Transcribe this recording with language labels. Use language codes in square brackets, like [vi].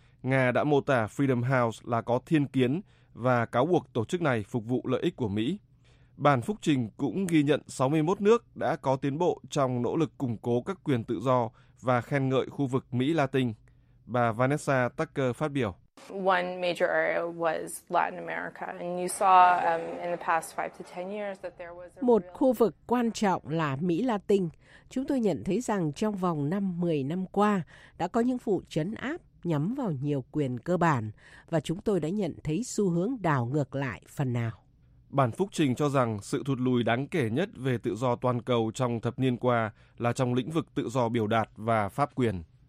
[vi] Nga đã mô tả Freedom House là có thiên kiến và cáo buộc tổ chức này phục vụ lợi ích của Mỹ. Bản phúc trình cũng ghi nhận 61 nước đã có tiến bộ trong nỗ lực củng cố các quyền tự do và khen ngợi khu vực Mỹ Latin. Bà Vanessa Tucker phát biểu. [en] One major area was Latin America, and you saw in the past 5 to 10 years that there was. [vi] Một khu vực quan trọng là Mỹ Latin. Chúng tôi nhận thấy rằng trong vòng 5-10 năm qua đã có những vụ trấn áp nhắm vào nhiều quyền cơ bản và chúng tôi đã nhận thấy xu hướng đảo ngược lại phần nào. Bản phúc trình cho rằng sự thụt lùi đáng kể nhất về tự do toàn cầu trong thập niên qua là trong lĩnh vực tự do biểu đạt và pháp quyền.